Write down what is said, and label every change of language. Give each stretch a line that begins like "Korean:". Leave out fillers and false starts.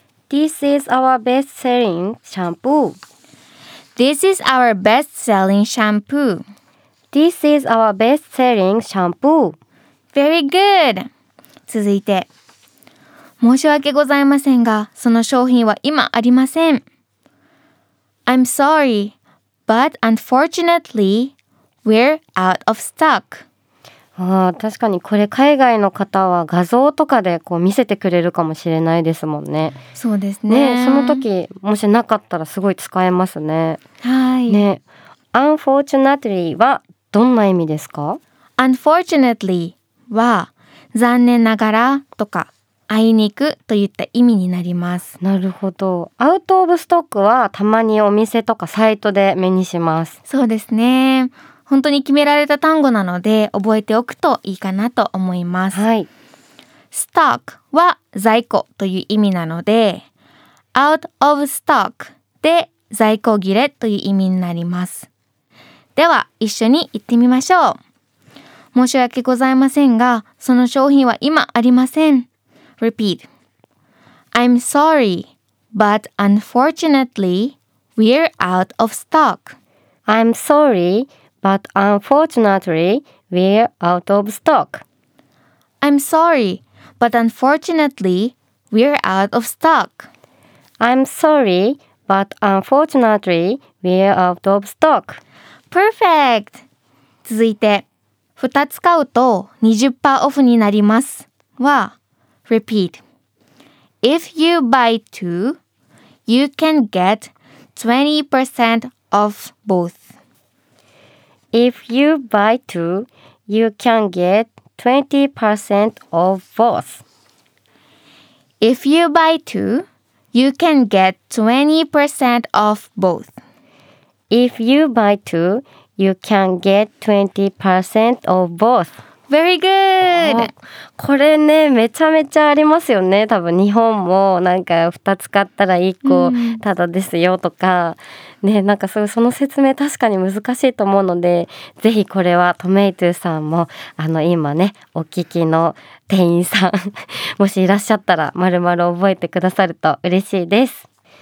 English: This is our best selling shampoo. This is our best selling shampoo. This is our best selling shampoo. Very good.
Japanese: 続いて、申し訳ございませんが、その商品は今ありません。
English: I'm sorry, but unfortunately,We're out of stock.
Japanese: ああ、確かにこれ海外の方は画像とかでこう見せてくれるかもしれないですもんね。そうです ね、その時もしなかったらすごい使えますね。はい、ね、Unfortunately はどんな意味ですか？ Unfortunately は残念ながらとか、あいにくといった意味になります。なるほど。アウトオブストックはたまにお店とかサイトで目にします。そうですね、本当に決められた単語なので覚えておくといいかなと思います、はい、 Stock は在庫という意味なので、 Out of stock で在庫切れという意味になります。では一緒に言ってみましょう。申し訳ございませんが、その商品は今ありません。
English: Repeat. I'm sorry, but unfortunately we're out of stock. I'm sorryBut unfortunately, we're out of stock. I'm sorry, but unfortunately, we're out of stock. I'm sorry, but unfortunately, we're out of stock. Perfect!
Japanese: 続いて、2つ買うと 20% オフになりますは、
English: Repeat. If you buy two, you can get 20% off both. If you buy two, you can get 20% of both. If you buy two, you can get 20% off both. If you buy two, you can get 20% of both. Very good!
Japanese: これね、めちゃめちゃありますよね。多分日本もなんか2つ買ったら1個ただですよとか、ね、なんかその説明確かに難しいと思うので、ぜひこれはトメイトゥさんも、今ね、お聞きの店員さん、もしいらっしゃったら、まるまる覚えてくださると嬉しいです。